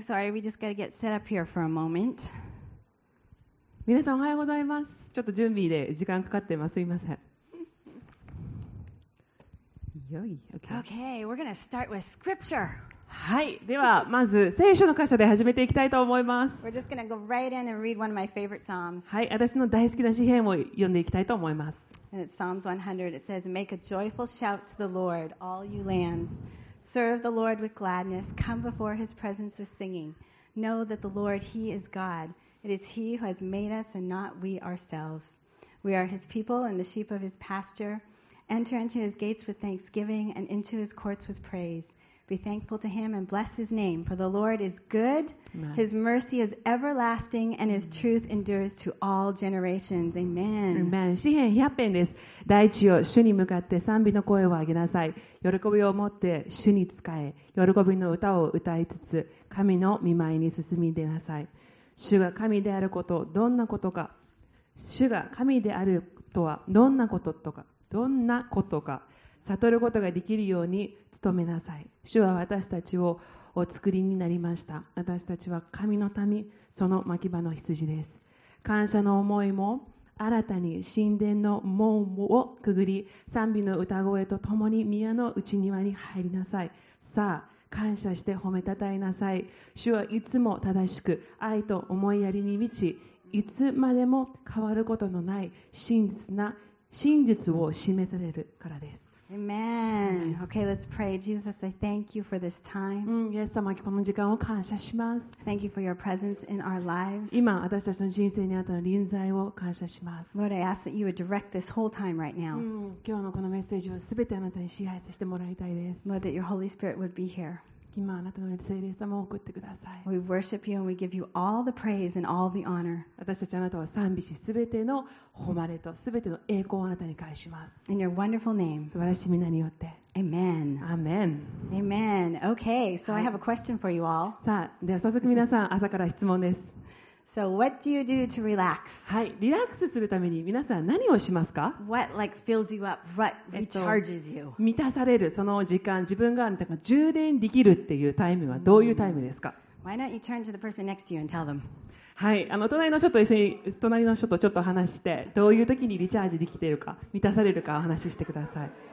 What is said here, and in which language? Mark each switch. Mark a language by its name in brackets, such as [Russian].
[English] Sorry, we just got to get set up here for a moment. [Japanese] 皆さんおはようございます。ちょっと準備で時間かかってます。すいません。よい。 [English] Okay, we're going to start with scripture. [Japanese] はい。ではまず聖書の箇所で始めていきたいと思います。 [English] We're just going to go right in and read one of my favorite psalms. [Japanese] はい。私の大好きな詩編を読んでいきたいと思います。 [English] And it's Psalms 100. It says, "Make a joyful shout to the Lord, all you lands." Serve the Lord with gladness. Come before His presence with singing. Know that the Lord, He is God. It is He who has made us and not we ourselves. We are His people and the sheep of His pasture. Enter into His gates with thanksgiving and into His courts with praise. Be thankful to Him and bless His name. For the Lord is good. His mercy is everlasting and His truth endures to all generations. Amen. [Japanese] Amen. 詩編100編です。大地を主に向かって賛美の声を上げなさい。喜びを持って主に仕え、喜びの歌を歌いつつ、神の御前に進み出なさい。主が神であること、どんなことか。主が神であるとはどんなこととか、どんなことか。悟ることができるように努めなさい。主は私たちをお作りになりました。私たちは神の民、その牧場の羊です。感謝の思いも新たに神殿の門をくぐり、賛美の歌声とともに宮の内庭に入りなさい。さあ、感謝して褒めたたえなさい。主はいつも正しく、愛と思いやりに満ち、いつまでも変わることのない真実を示されるからです。 [English] Amen. Okay, let's pray. Jesus, I thank you for this time. [Japanese] イエス様、この時間を感謝します。 [English] Thank you for your presence in our lives. [Japanese] 今、私たちの人生にあった臨在を感謝します。 [English] Lord, I ask that you would direct this whole time right now. [Japanese] 今日のこのメッセージをすべてあなたに支配させてもらいたいです。 [English] Lord, that your Holy Spirit would be here. [Japanese] 今、あなたの聖霊様を送ってください。 [English] We worship you and we give you all the praise and all the honor. [Japanese] 私たちあなたを賛美し、すべての誉れとすべての栄光をあなたに返します。 [English] In your wonderful name. [Japanese] 素晴らしい名によって。 [English] Amen. Amen. Amen. Okay, so I have a question for you all. [Japanese] さあ、では早速皆さん、朝から質問です。 [English] So what do you do to relax? [Japanese] はい、リラックスするために皆さん何をしますか? [English] What like fills you up? What recharges you? [Japanese] 満たされるその時間、自分があなたが充電できるっていうタイムはどういうタイムですか? [English] Why not you turn to the person next to you and tell them? [Japanese] はい、隣の人と一緒に隣の人とちょっと話してどういう時にリチャージできているか、満たされるかお話ししてください。